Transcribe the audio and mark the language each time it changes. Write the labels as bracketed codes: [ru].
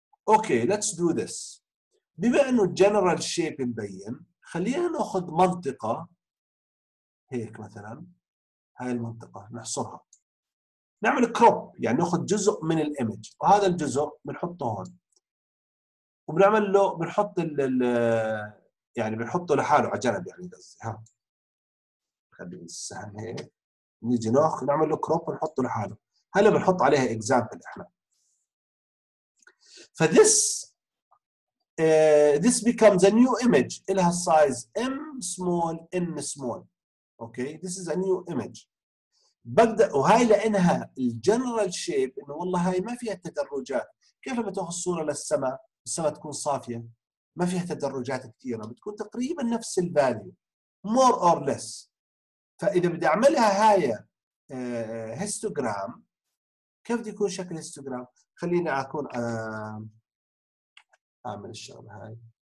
[en] Okay let's do this. [ar] بما انه جنرال شيب مبين خلينا ناخذ منطقه هيك مثلا، هاي المنطقه نحصرها، نعمل كروب يعني ناخذ جزء من الايمج وهذا الجزء بنحطه هون وبنعمل له بنحط ال يعني بنحطه لحاله على جنب يعني قصدي ها خلي السهم هيك نيجي ناخذ نعمل له كروب ونحطه لحاله. هلا بنحط عليها اكزامبل احنا فذس [en] this becomes a new image [ar] إلها size M small N small. [en] Okay, this is a new image. [ar] بدأ وهاي لأنها الجنرال شيب إنه والله هاي ما فيها تدرجات. كيف لما تأخذ صورة للسماء السماء تكون صافية ما فيها تدرجات كثيرة بتكون تقريبا نفس الفاليو [en] more or less. [ar] فإذا بدي أعملها هاي هيستوغرام كيف بدي يكون شكل هيستوغرام؟ خليني أكون أعمل الشغلة هاي